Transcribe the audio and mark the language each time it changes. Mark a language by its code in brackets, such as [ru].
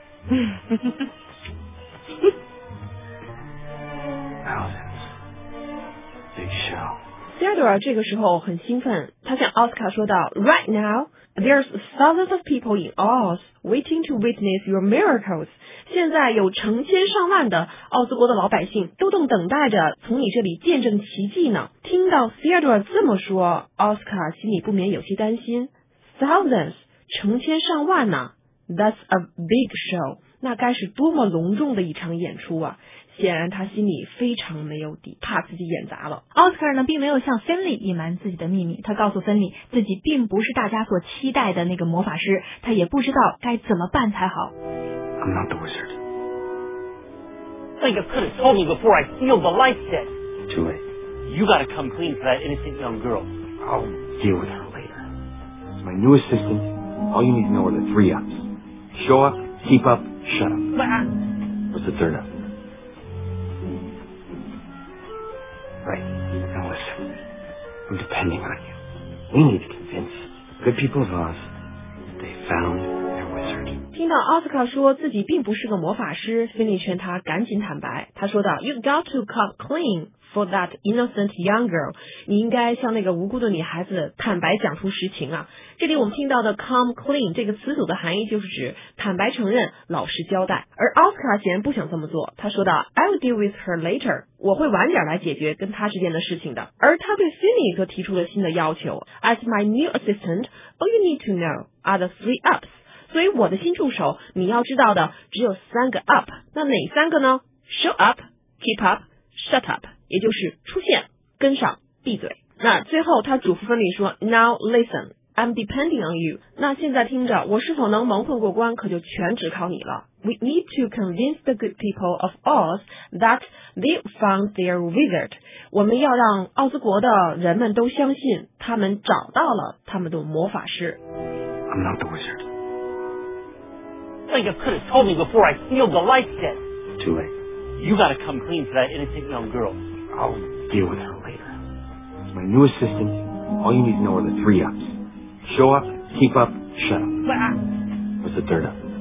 [en] Thousands. Big show. [zh] Theodore 这个时候很兴奋，他向奥斯卡说道 [en] Right now. There's thousands of people in Oz waiting to witness your miracles. [zh] 现在有成千上万的奥斯国的老百姓都正等待着从你这里见证奇迹呢。听到 Theodore 这么说，奥斯卡心里不免有些担心。 Thousands, 成千上万呢。 [en] That's a big show. [zh] 那该是多么隆重的一场演出啊。显然他心里非常没有底，怕自己演砸了。 Oscar 呢，并没有向芬利隐瞒自己的秘密，他告诉芬利自己并不是大家所期待的那个魔法师，他也不知道该怎么办才好。 [en] I'm not the wizard. Think I could have told me before I sealed the life set. Too late. You gotta come clean for that innocent young girl. I'll deal with her later. As my new assistant, all you need to know are the three ups. Show up, keep up, shut up. What's the third up? Right. Now listen. I'm depending on you. We need to convince the good people of Oz that they found their wizard. [zh] 听到奥斯卡说自己并不是个魔法师，芬妮劝他赶紧坦白。他说道 [en] ,You've got to come clean for that innocent young girl. [zh] 你应该向那个无辜的女孩子坦白讲出实情啊。这里我们听到的 come clean 这个词组的含义就是指坦白承认，老实交代。而奥斯卡显然不想这么做，他说道 , [en] I will deal with her later. [zh] 我会晚点来解决跟他之间的事情的。而他对 Finny 则提出了新的要求 [en] ,As my new assistant, all you need to know are the three ups. [zh] 所以我的新助手你要知道的只有三个 up, 那哪三个呢 ? [en] Show up, keep up, shut up, [zh] 也就是出现跟上闭嘴。那最后他嘱咐 Finny 说 , [en] Now listen, I'm depending on you. [zh] 那现在听着我是否能蒙混过关可就全只靠你了。 [en] We need to convince the good people of Oz that they found their wizard. [zh] 我们要让奥兹国的人们都相信他们找到了他们的魔法师。 [en] I'm not the wizard. Think I could have told me before I sealed the life set. Too late. You gotta come clean for that innocent young girl. I'll deal with her later. As my new assistant, all you need to know are the three ups. Show up, keep up, shut up. What's the third up?